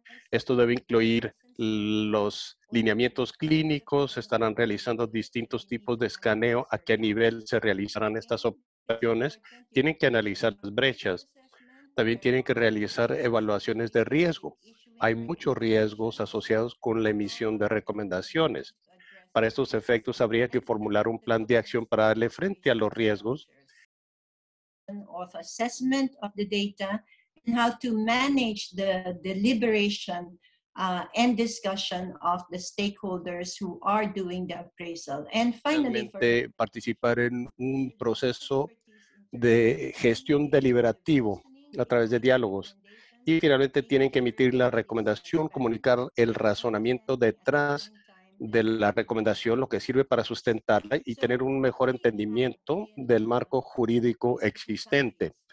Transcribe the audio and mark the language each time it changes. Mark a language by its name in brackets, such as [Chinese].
[Spanish] Esto debe incluir los lineamientos clínicos, estarán realizando distintos tipos de escaneo, a qué nivel se realizarán estas operaciones. Tienen que analizar las brechas. También tienen que realizar evaluaciones de riesgo. Hay muchos riesgos asociados con la emisión de recomendaciones. Para estos efectos, habría que formular un plan de acción para darle frente a los riesgos. [English] Of assessment of the data and how to manage the deliberation and discussion of the stakeholders who are doing the appraisal. And finally, [Spanish] for participar en un proceso de gestión deliberativo a través de diálogos. Y finalmente, tienen que emitir la recomendación, comunicar el razonamiento detrás de la recomendación, lo que sirve para sustentarla y tener un mejor entendimiento del marco jurídico existente.